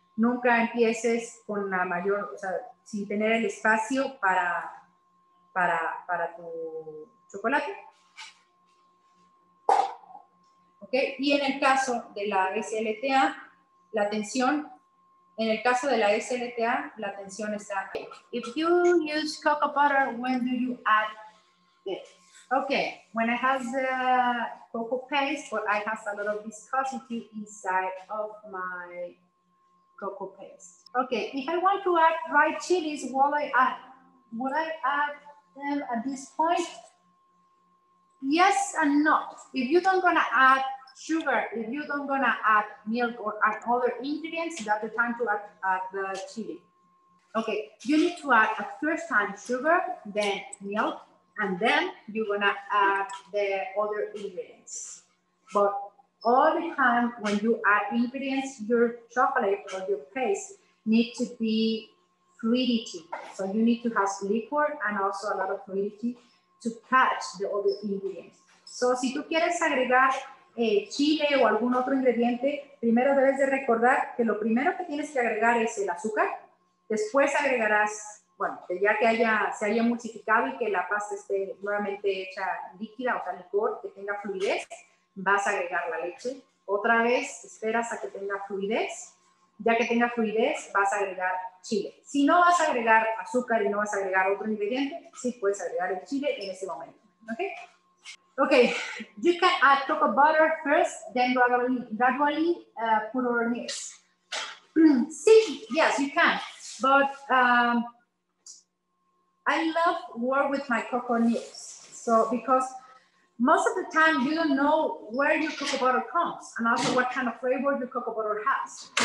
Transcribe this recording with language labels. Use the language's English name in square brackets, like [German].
[Spanish] Nunca empieces con la mayor, o sea, sin tener el espacio para tu chocolate. ¿Okay? Y en el caso de la SLTA, la tensión, en el caso de la SLTA, la tensión está. [English] If you use cocoa butter, when do you add it? Okay, when I have the cocoa paste, but I have a lot of viscosity inside of my cocoa paste. Okay, if I want to add dried chilies, would I add them at this point? Yes and no. If you don't gonna add sugar, if you don't gonna add milk or add other ingredients, that's the time to add the chili. Okay, you need to add a first time sugar, then milk, and then you're gonna add the other ingredients. But all the time when you add ingredients, your chocolate or your paste need to be fluidity. So you need to have liquid and also a lot of fluidity to catch the other ingredients. [Spanish] So si tú quieres agregar chile o algún otro ingrediente, primero debes de recordar que lo primero que tienes que agregar es el azúcar. Después agregarás, bueno, ya que se haya emulsificado y que la pasta esté nuevamente hecha líquida, o sea, licor, que tenga fluidez, vas a agregar la leche. Otra vez, esperas a que tenga fluidez. Ya que tenga fluidez, vas a agregar chile. Si no vas a agregar azúcar y no vas a agregar otro ingrediente, sí puedes agregar el chile en ese momento. ¿Ok? [English] Ok, you can add cocoa butter first, then gradually put over mix. [Spanish] Sí, [English] yes, you can. But I love work with my cocoa nibs. So, because most of the time you don't know where your cocoa butter comes and also what kind of flavor your cocoa butter has.